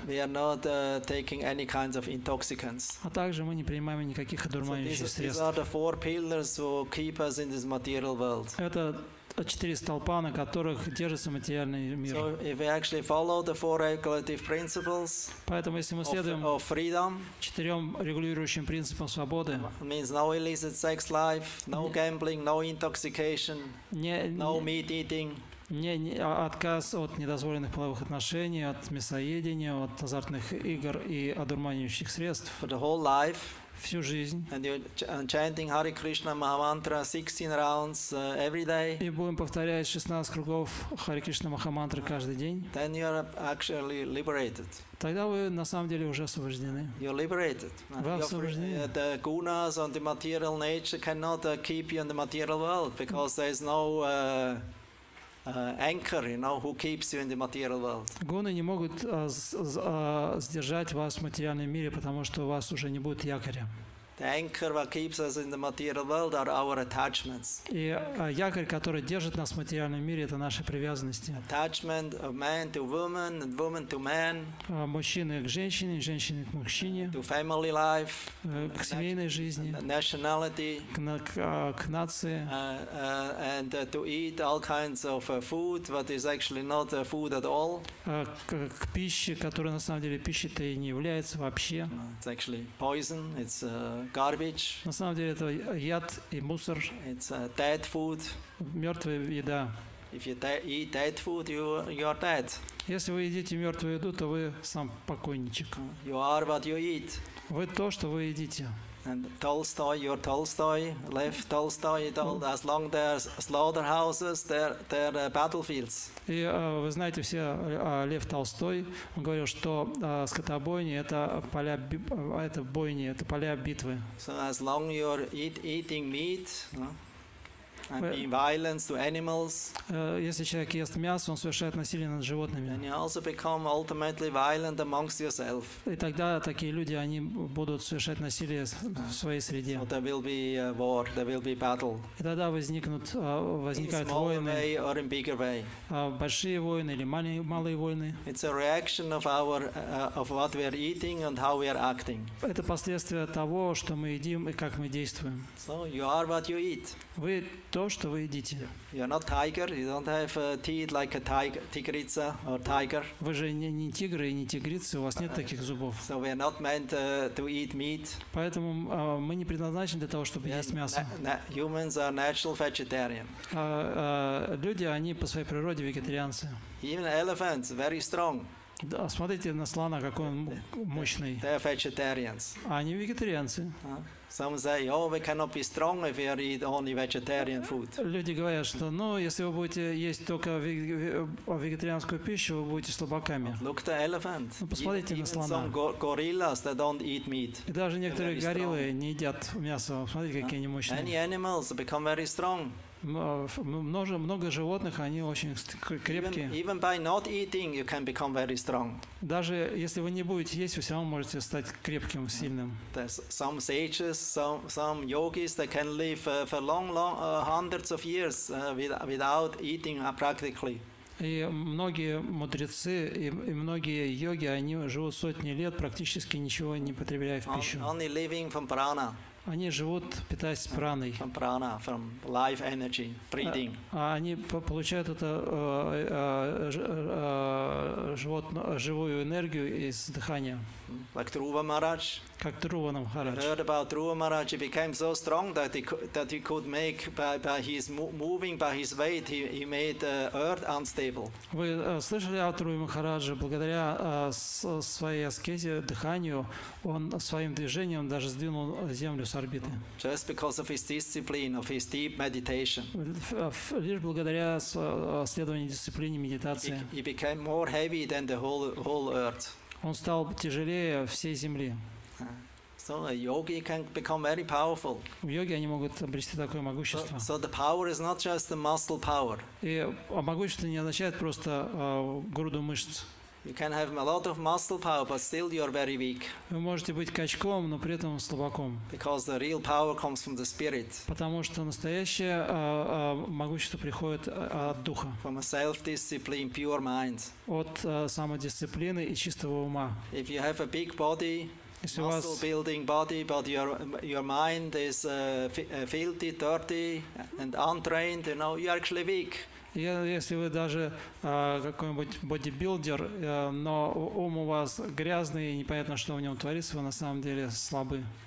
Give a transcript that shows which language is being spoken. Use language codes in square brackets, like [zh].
[en] We are not taking any kinds of intoxicants. [ru] А также мы не принимаем никаких одурманивающих средств. [en] These are the four pillars who keep us in this material world. [ru] Это четыре столпа, на которых держится материальный мир. [en] So if we actually follow the four regulative principles, [ru] поэтому если мы следуем [en] freedom, [ru] четырем регулирующим принципам свободы, [en] means no illicit sex life, no gambling, no intoxication, no meat eating. [ru] Отказ от недозволенных половых отношений, от мясоедения, от азартных игр и одурманивающих средств. [en] For the whole life, [ru] всю жизнь. [en] And chanting Hare Krishna Mahamantra 16 rounds every day. [ru] И будем повторять 16 кругов Hare Krishna Mahamantra каждый день. [en] Then you are actually liberated. [ru] Тогда вы на самом деле уже освобождены. [en] You're liberated. [ru] Вы освобождены. [en] The gunas and the material nature cannot keep you in the material world because there is no anchor, you know, who keeps you in the material world. [ru] Гуны не могут сдержать вас в материальном мире, потому что у вас уже не будет якоря. [en] The anchor that keeps us in the material world are our attachments. [ru] И якорь, который держит нас в материальном мире, это наши привязанности. [en] Attachment of man to woman and woman to man. [ru] Мужчины к женщине, женщины к мужчине. [en] To family life. [ru] К семейной жизни. [en] Nationality. [ru] К нации. [en] And to eat all kinds of food, what is actually not food at all. [ru] К пище, которая на самом деле пищей-то и не является вообще. [en] It's actually poison. It's garbage. [ru] На самом деле это яд и мусор. [en] It's dead food. [ru] Мертвая еда. [en] If you eat dead food, you are dead. [ru] Если вы едите мертвую еду, то вы сам покойничек. [en] You are what you eat. [ru] Вы то, что вы едите. [en] And Tolstoy, you're Tolstoy, Lev Tolstoy, as long there's slaughterhouses, there are battlefields. [ru] И вы знаете все Лев Толстой, он говорил, что скотобойни это поля битвы. [en] So as long you're eating meat, and being violent to animals. [ru] Если человек ест мясо, он совершает насилие над животными. [en] And you also become ultimately violent amongst yourself. [ru] И тогда такие люди, они будут совершать насилие в своей среде. [en] So there will be a war, there will be battle. [ru] И тогда возникают войны. [en] In smaller way or in bigger way. [ru] Большие войны или малые войны. [en] It's a reaction of our of what we are eating and how we are acting. [ru] Это последствия того, что мы едим и как мы действуем. [en] So you are what you eat. [ru] Вы то, что вы едите. [en] You're not tiger. You don't have teeth like a tigrica or tiger. [ru] Вы же не тигры и не тигрицы. У вас нет таких зубов. [en] So we are not meant to eat meat. [ru] Поэтому мы не предназначены для того, чтобы есть мясо. [en] Humans are natural vegetarian. [ru] Люди, они по своей природе вегетарианцы. [en] Even elephants very strong. [ru] Да, смотрите на слона, какой он мощный. [en] They're vegetarians. [ru] Они вегетарианцы. [en] Some say, "Oh, we cannot be strong if we eat only vegetarian food." [ru] Люди говорят, что, ну, если вы будете есть только вегетарианскую пищу, вы будете слабаками. [en] Look at the elephant. [ru] Ну, посмотрите [en] even [ru] на слона. [en] Some gorillas that don't eat meat. [ru] И даже некоторые гориллы не едят мясо. Смотрите, какие они мощные. [en] Any animals become very strong. [ru] много животных, они очень крепкие. [en] Even by not eating, you can become very strong. [ru] Даже если вы не будете есть, вы все равно можете стать крепким, сильным. [en] There's some sages, some yogis that can live for long hundreds of years without eating practically. [ru] И многие мудрецы и многие йоги, они живут сотни лет, практически ничего не потребляя в пищу. [en] Only living from prana. [ru] Они живут, питаясь праной. [en] From prana, from life energy, breathing. [ru] А они получают это живую энергию из дыхания. [en] Like Dhruva Maharaj. [ru] Как Dhruva Maharaj. [en] Heard about Dhruva Maharaj. He became so strong that he could make by his moving by his weight he made earth unstable. [ru] Вы слышали о Dhruva Maharaj? Благодаря своей аскезе, дыханию, он своим движением даже сдвинул землю с орбиты. [en] Just because of his discipline, of his deep meditation. [ru] Лишь благодаря следованию дисциплине медитации. [en] He became more heavy than the whole earth. [ru] Он стал тяжелее всей земли. [en] So a yogi can become very powerful. [ru] В йоге они могут обрести такое могущество. [en] So the power is not just the muscle power. [ru] И могущество не означает просто груду мышц. [en] You can have a lot of muscle power, but still you are very weak. [ru] Вы можете быть качком, но при этом слабаком. [en] Because the real power comes from the spirit. [ru] Потому что настоящее могущество приходит от духа. [en] From a self-discipline, pure mind. [ru] От самодисциплины и чистого ума. [en] If you have a big body, muscle-building body, but your mind is filthy, dirty, and untrained, you know, you are actually weak. [ru] Если вы даже какой-нибудь бодибилдер, но ум у вас грязный, и непонятно, что в нем творится, вы на самом деле слабы.